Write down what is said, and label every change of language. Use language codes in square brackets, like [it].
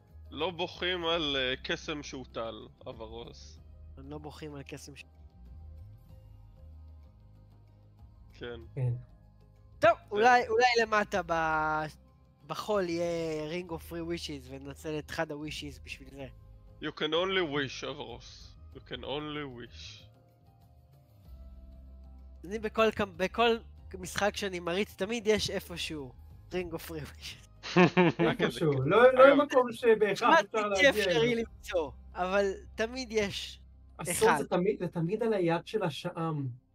[he] לא בוכים על קסם שהוטל, אברוס. לא בוכים על קסם ש... כן. כן. טוב, אולי למטה בחול יהיה Ring of Free Wishes ונצל את אחד ה-Wishes בשביל זה. [en] You can only wish, אברוס. You can only wish. [he] אני בכל משחק שאני מריץ, תמיד יש איפשהו Ring of Free Wishes. איפשהו. לא מקום שבהכרח אפשר להגיע. תמיד אפשרי למצוא, אבל תמיד יש אחד. הסוד זה תמיד על היד של השעם.